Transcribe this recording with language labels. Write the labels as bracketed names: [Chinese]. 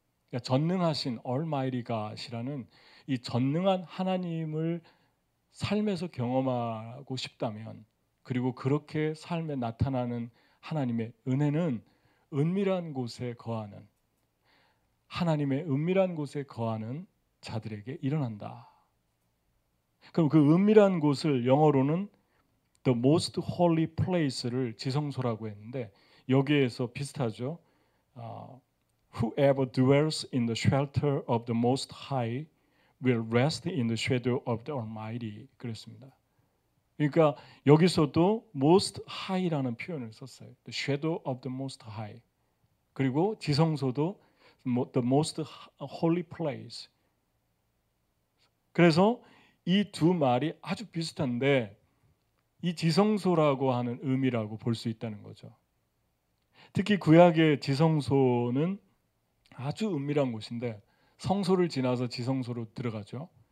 [Korean] 그러니까 전능하신 Almighty God이라는 이 전능한 하나님을 삶에서 경험하고 싶다면, 그리고 그렇게 삶에 나타나는 하나님의 은혜는 은밀한 곳에 거하는, 하나님의 은밀한 곳에 거하는 자들에게 일어난다. 그럼 그 은밀한 곳을 영어로는 The Most Holy Place를 지성소라고 했는데, 여기에서 비슷하죠. [English] Whoever dwells in the shelter of the Most High will rest in the shadow of the Almighty. [Korean] 그랬습니다. 그러니까 여기서도 Most High라는 표현을 썼어요. [English] The shadow of the Most High. [Korean] 그리고 지성소도 [English] The Most Holy Place. [Korean] 그래서 이 두 말이 아주 비슷한데 이 지성소라고 하는 의미라고 볼 수 있다는 거죠. 특히 구약의 지성소는 아주 은밀한 곳인데 성소를 지나서 지성소로 들어가죠.